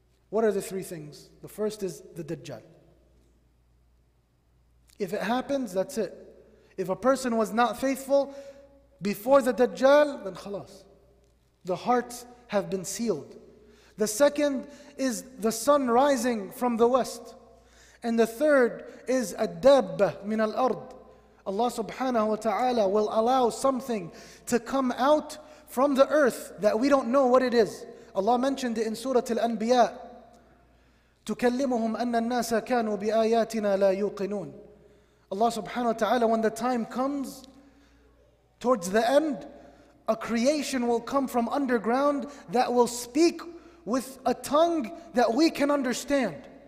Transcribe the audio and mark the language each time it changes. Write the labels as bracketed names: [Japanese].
[English] What are the three things? The first is the Dajjal. If it happens, that's it. If a person was not faithful before the Dajjal, then khalas. The hearts have been sealed. The second is the sun rising from the west. And the third is [Arabic] الدب من الأرض. [English] Allah subhanahu wa ta'ala will allow something to come out from the earth that we don't know what it is. Allah mentioned it in Surah Al-Anbiya. [Arabic] تُكَلِّمُهُمْ أَنَّ النَّاسَ كَانُوا بِآيَاتِنَا لَا يُوقِنُونَ. [English] Allah subhanahu wa ta'ala, when the time comes, towards the end, a creation will come from underground that will speak with a tongue that we can understand.